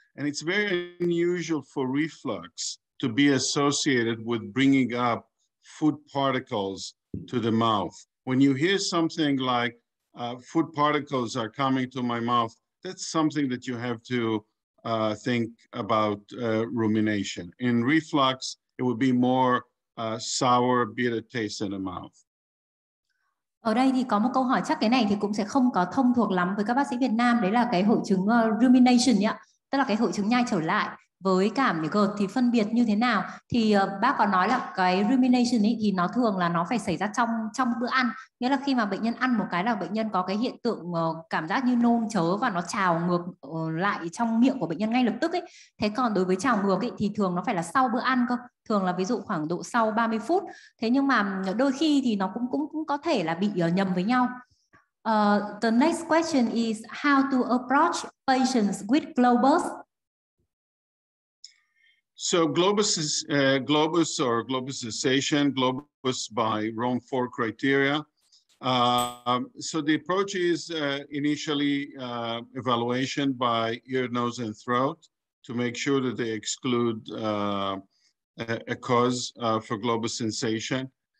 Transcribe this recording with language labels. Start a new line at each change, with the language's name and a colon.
English: And it's very unusual for reflux to be associated with bringing up food particles to the mouth. When you hear something like food particles are coming to my mouth, that's something that you have to think about rumination. In reflux, it would be more sour, bitter taste in the mouth.
Vietnamese: Ở đây thì có một câu hỏi, chắc cái này thì cũng sẽ không có thông thuộc lắm với các bác sĩ Việt Nam, đấy là cái hội chứng rumination ấy ạ. Tức là cái hội chứng nhai trở lại với cảm GERD thì phân biệt như thế nào? Thì bác có nói là cái rumination ấy thì nó thường là nó phải xảy ra trong bữa ăn. Nghĩa là khi mà bệnh nhân ăn một cái là bệnh nhân có cái hiện tượng cảm giác như nôn chớ và nó trào ngược lại trong miệng của bệnh nhân ngay lập tức ấy. Thế còn đối với trào ngược ấy thì thường nó phải là sau bữa ăn cơ. Thường là ví dụ khoảng độ sau 30 phút. Thế nhưng mà đôi khi thì nó cũng có thể là bị nhầm với nhau.
English: The next question is how to approach patients with globus? So globus is globus or globus cessation, globus by Rome 4 criteria. So the approach is initially evaluation by ear, nose, and throat to make sure that they exclude a cause for globus sensation.